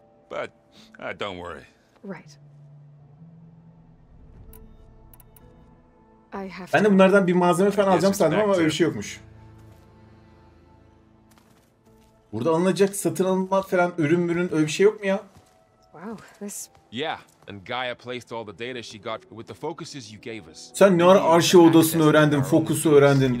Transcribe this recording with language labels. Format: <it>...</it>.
<en>But don't worry. Right. I have.</en> <tr>Ben de bunlardan bir malzeme falan alacağım sandım ama öyle bir şey yokmuş. Burada alınacak satın alma falan ürün mürün öyle bir şey yok mu ya?</tr> <en>Wow, this. Yeah. And Gaia placed all the data she got with the focuses you gave us.</en> <tr>Sen ne ara arşiv odasını öğrendin, fokusu öğrendin.</tr>